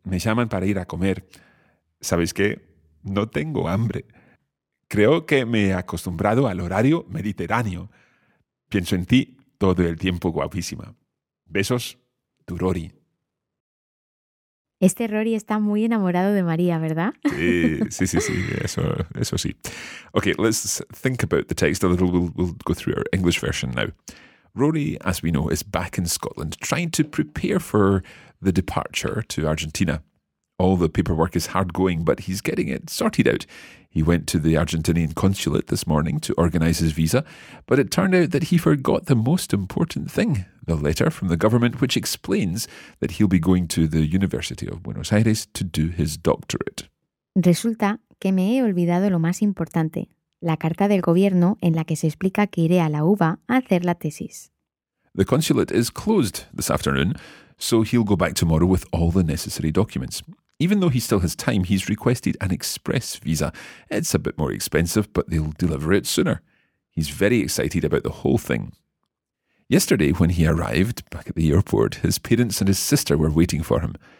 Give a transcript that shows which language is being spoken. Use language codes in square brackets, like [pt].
[es] Me llaman para ir a comer. ¿Sabes qué? No tengo hambre. Creo que me he acostumbrado al horario mediterráneo. Pienso en ti. Todo el tiempo guapísima. Besos, tu Rory. Este Rory está muy enamorado de María, ¿verdad? Sí. Eso sí. [en] Okay, let's think about the text a little. We'll go through our English version now. Rory, as we know, is back in Scotland trying to prepare for the departure to Argentina. All the paperwork is hard going, but he's getting it sorted out. He went to the Argentinian consulate this morning to organise his visa, but it turned out that he forgot the most important thing, the letter from the government which explains that he'll be going to the University of Buenos Aires to do his doctorate. [es] Resulta que me he olvidado lo más importante, la carta del gobierno en la que se explica que iré a la UBA a hacer la tesis. [en] The consulate is closed this afternoon, so he'll go back tomorrow with all the necessary documents. Even though he still has time, he's requested an express visa. It's a bit more expensive, but they'll deliver it sooner. He's very excited about the whole thing. Yesterday, when he arrived back at the airport, his parents and his sister were waiting for him.